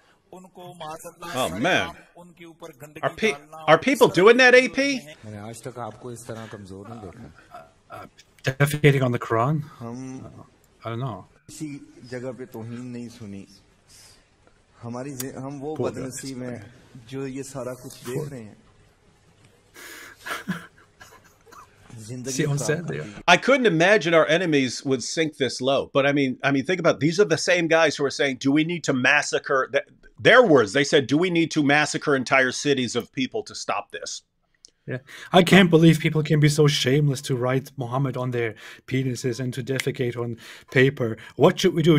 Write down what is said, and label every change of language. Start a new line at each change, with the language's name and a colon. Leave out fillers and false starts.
English: Oh man, are people doing that, AP? Defecating on the Quran? I don't know.
Urdu: See, جگہ پہ توہین نہیں سنی. ہماری ہم وہ بدنصیب ہیں جو یہ سارا کچھ دیکھ رہے ہیں.
English: See, on Saturday. I couldn't imagine our enemies would sink this low. But I mean, think about it. These are the same guys who are saying, "Do we need to massacre?" Their words, they said, "Do we need to massacre entire cities of people to stop this?" Yeah, I can't believe people can be so shameless to write Muhammad on their penises and to defecate on paper. What should we do?